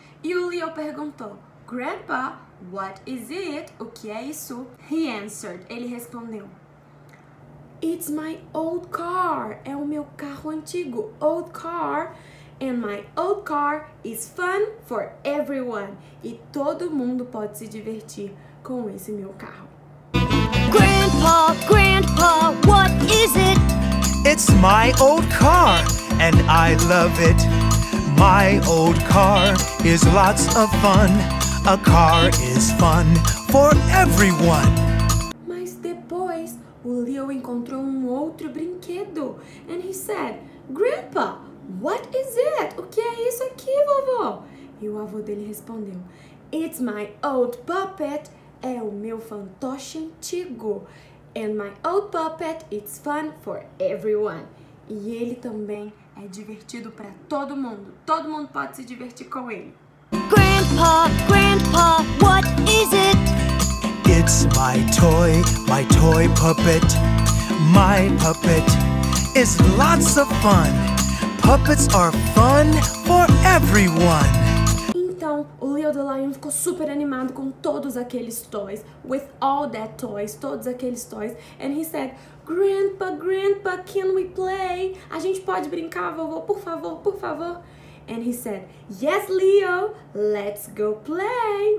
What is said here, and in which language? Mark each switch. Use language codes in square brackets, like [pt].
[pt] E o Leo perguntou, [en] Grandpa, what is it? [pt] O que é isso? [en] He answered. [pt] Ele respondeu, [en] It's my old car. [pt] É o meu carro antigo. [en] Old car. And my old car is fun for everyone. [pt] E todo mundo pode se divertir com esse meu carro. [en] Grandpa, grandpa, what is it? It's my old car and I love it. My old car is lots of fun. A car is fun for everyone. [pt] Mas depois, o Leo encontrou um outro brinquedo. [en] And he said, Grandpa, what is it? [pt] O que é isso aqui, vovô? E o avô dele respondeu, [en] It's my old puppet. [pt] É o meu fantoche antigo. [en] And my old puppet, it's fun for everyone. [pt] E ele também é divertido para todo mundo. Todo mundo pode se divertir com ele. [en] Grandpa, grandpa, what is it? It's my toy puppet. My puppet is lots of fun. Puppets are fun for everyone. [pt] Então, o Leo the Lion ficou super animado com todos aqueles toys. [en] With all that toys, [pt] todos aqueles toys. [en] And he said, Grandpa, Grandpa, can we play? [pt] A gente pode brincar, vovô, por favor, por favor. [en] And he said, yes, Leo, let's go play.